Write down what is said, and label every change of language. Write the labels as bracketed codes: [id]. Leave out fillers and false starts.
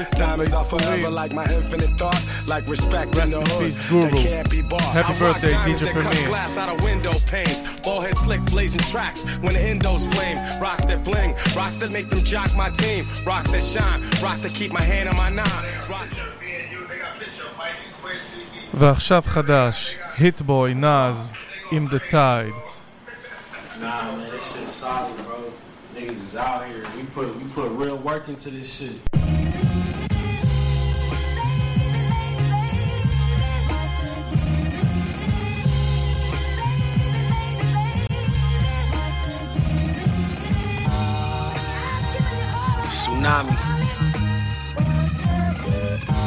[en] Diamonds are forever like my infinite thought, like respect rest in the in hood peace, guru. That can't be bought. Happy birthday, DJ Premier. I rock diamonds that cut glass out of window panes. Ball head slick, blazing tracks when the hindos flame. Rocks that bling, rocks that make them jock my team. Rocks that shine, rocks that keep my hand on my nine. Rocks that... [he] ועכשיו חדש, היט בוי, נאז, עם דה טייד. [en] Nah, man, this shit solid, bro. Niggas is out here. We put real work into this shit.